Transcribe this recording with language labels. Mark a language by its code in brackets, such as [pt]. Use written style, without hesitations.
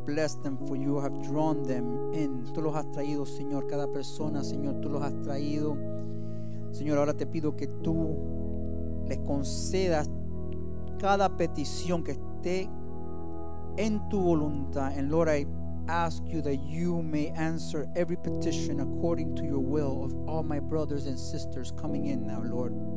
[en] Bless them, for you have drawn them in. [es] Tú los has traído, Señor, cada persona, Señor, tú los has traído. Señor, ahora te pido que tú les concedas cada petición que esté en tu voluntad. [en] And Lord, I ask you that you may answer every petition according to your will of all my brothers and sisters coming in now, Lord.